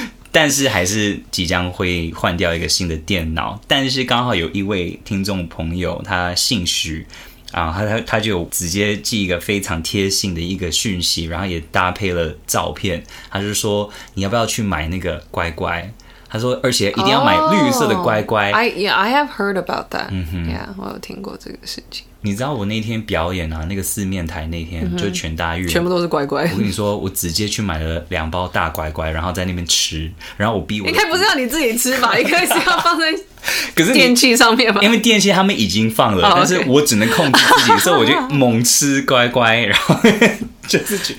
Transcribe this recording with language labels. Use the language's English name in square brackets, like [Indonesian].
[Chinese] 但是还是即将会换掉一个新的电脑。但是刚好有一位听众朋友，他姓徐、他就直接寄一个非常贴心的一个讯息，然后也搭配了照片。他就说，你要不要去买那个乖乖？他说而且一定要买绿色的乖乖、 [English] I have heard about that、yeah, [Chinese] 我有听过这个事情。你知道我那天表演啊，那个四面台那天、就全大院全部都是乖乖。我跟你说，我直接去买了两包大乖乖，然后在那边吃，然后我逼我应该不是要你自己吃吧，应该是要放在可是电器上面吧，因为电器他们已经放了、 [English] oh, okay. [Chinese] 但是我只能控制自己，所以我就猛吃乖乖，然后就是